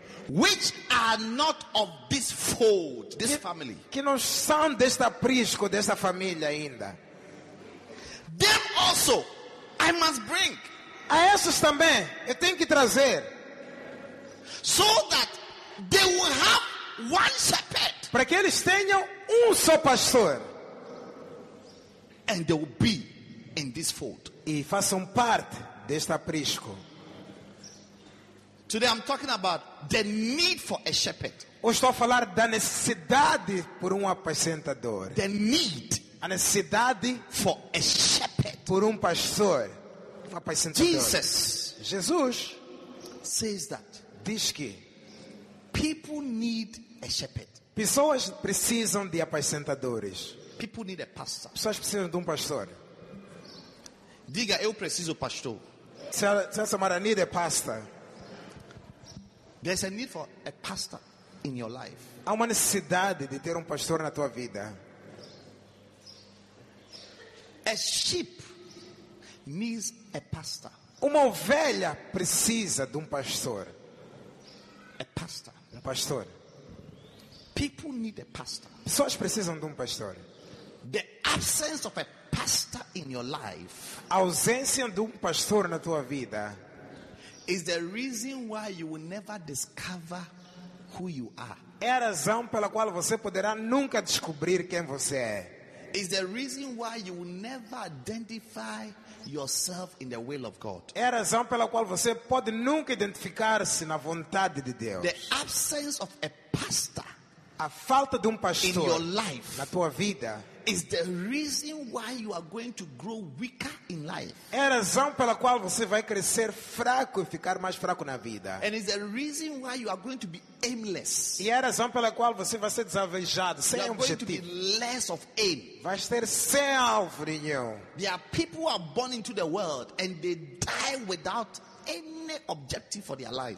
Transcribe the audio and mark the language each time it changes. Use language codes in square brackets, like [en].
[en] Which are not of this fold, this family. [pt] Que não são deste aprisco, desta família ainda. [en] Them also, I must bring. [pt] A esses também, eu tenho que trazer. [en] So that they will have one shepherd. [pt] Para que eles tenham só pastor. [en] And they will be in this fold. [pt] E façam parte deste aprisco. [en] Today I'm talking about the need for a shepherd. [pt] Hoje estou a falar da necessidade por apacentador. [en] The need. [pt] A necessidade [en] for a shepherd. [pt] Por pastor. Apacentador. [en] Jesus. [pt] Jesus. [en] Says that. [pt] Diz que. [en] People need a shepherd. [pt] Pessoas precisam de apacentadores. [en] People need a pastor. [pt] Pessoas precisam de pastor. Diga, eu preciso pastor. [en] Tell somebody, I need a pastor. There's a need for a pastor in your life. [pt] Há uma necessidade de ter pastor na tua vida. [en] A sheep needs a pastor. [pt] Uma ovelha precisa de pastor. [en] A pastor. [pt] Pastor. [en] People need a pastor. [pt] Pessoas precisam de pastor. [en] The absence of a pastor in your life. [pt] A ausência de pastor na tua vida. [en] Is the reason why you will never discover who you are. [pt] É a razão pela qual você poderá nunca descobrir quem você é. [en] Is the reason why you will never identify yourself in the will of God. [pt] É a razão pela qual você pode nunca identificar-se na vontade de Deus. [en] The absence of a pastor. [pt] A falta de pastor [en] in your life, [pt] na tua vida, [en] is the reason why you are going to grow weaker in life. [pt] É a razão pela qual você vai crescer fraco e ficar mais fraco na vida. [en] And is the reason why you are going to be aimless. [pt] E é a razão pela qual você vai ser desalvejado, sem objetivo. [en] You are going to be less of aim. [pt] Vai ser sem alvo nenhum. [en] There are people who are born into the world and they die without any objective for their lives.